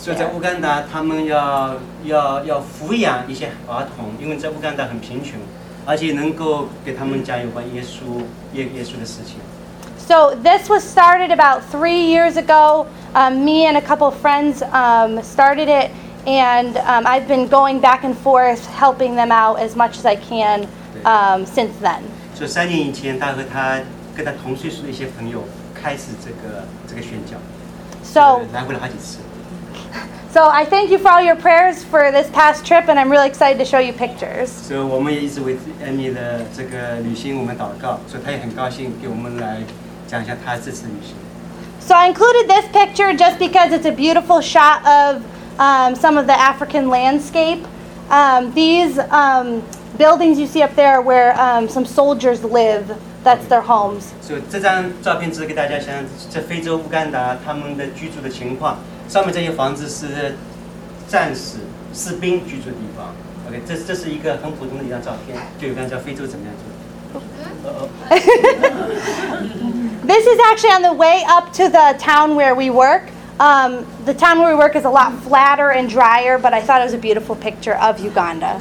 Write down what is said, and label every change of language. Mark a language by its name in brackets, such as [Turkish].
[English] So in Uganda, they have to raise some children, because in Uganda it's very poor, and they can help them with Jesus. So this was started about 3 years ago. Me and a couple of friends started it. And I've been going back and forth, helping them out as much as I can since then. [Chinese] So 3年以前，他和他跟他同岁数的一些朋友开始这个宣教。 [English] So I thank you for all your prayers for this past trip, and I'm really excited to show you pictures. [Chinese] So 我们也一直为Amy的这个旅行我们祷告，所以他也很高兴给我们来讲一下他这次旅行。 [English] So I included this picture just because it's a beautiful shot of some of the African landscape. These buildings you see up there are where some soldiers live. That's okay. Their homes. [Chinese] So 这张照片只是给大家想想，在非洲乌干达他们的居住的情况。上面这些房子是战士士兵居住的地方。 OK， 这是一个很普通的一张照片，就乌干达非洲怎么样住。 [English] This is actually on the way up to the town where we work. The town where we work is a lot flatter and drier, but I thought it was a beautiful picture of Uganda.